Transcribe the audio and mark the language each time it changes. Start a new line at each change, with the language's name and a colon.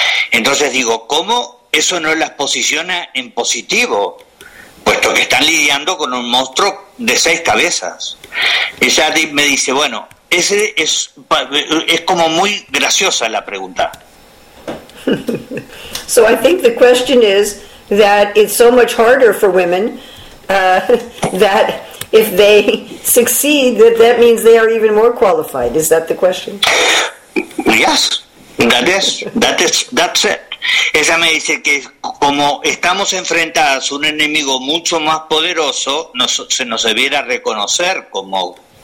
Spanish: Entonces digo, ¿cómo eso no las posiciona en positivo? Puesto que están lidiando con un monstruo de 6 cabezas. Ella me dice, bueno, ese es como muy graciosa la pregunta.
English: So I think the question is that it's so much harder for women that if they succeed, that means they are even more qualified. Is that the question? Yes, that's it.
Spanish: Ella me dice que como estamos enfrentadas a un enemigo mucho más poderoso, se nos debiera reconocer como...